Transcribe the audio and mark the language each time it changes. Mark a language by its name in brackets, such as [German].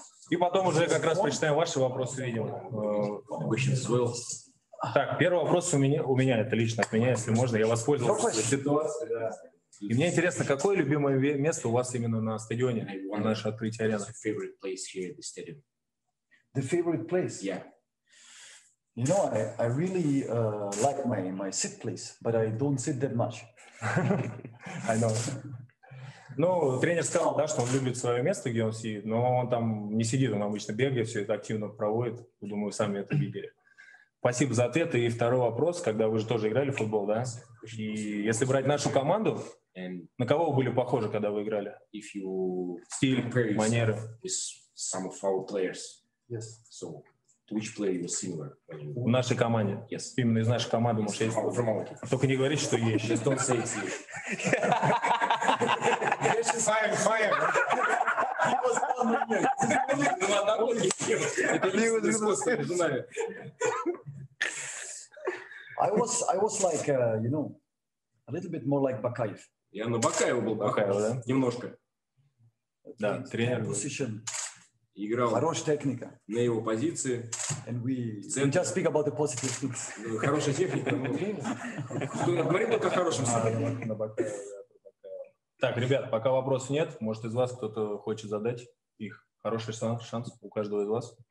[Russian] И потом уже как раз прочитаем ваши вопросы, видимо. Так, первый вопрос у меня это лично от меня, если можно, я воспользовался ситуацией. И мне интересно, какое любимое место у вас именно на стадионе, на нашей открытии арены? [English] Favorite place here at the stadium. The favorite place? Yeah. You know, I really like my sit place, but I don't sit that much. I know. [Russian] Ну, тренер сказал, да, что он любит свое место, где он сидит, но он там не сидит, он обычно бегает, все это активно проводит. Думаю, сами это видели. Спасибо за ответ. И второй вопрос, когда вы же тоже играли в футбол, да? И если брать нашу команду, на кого вы были похожи, когда вы играли? [English] If you [Russian] стиль, манеры. [English] With some of our players. Yes. So, to which player you're similar? [Russian] В нашей команде. [English] Yes. [Russian] Именно из нашей команды, может, есть. [English] From our team. [Russian] Только не говорите, что есть. [English] Just don't say it's you. This is fire. I was like you know, a little bit more like Bakayev. [Russian] Я на Бакаева был Бакаев, да? Немножко. Да, тренер. [English] Position. [Russian] Играл. Хорошая техника. На его позиции. [English] And we just speak about the positive things. [Russian] Хорошая техника. Говорим только о хорошем стиле. Так, ребят, пока вопросов нет, может, из вас кто-то хочет задать их. Хороший шанс у каждого из вас.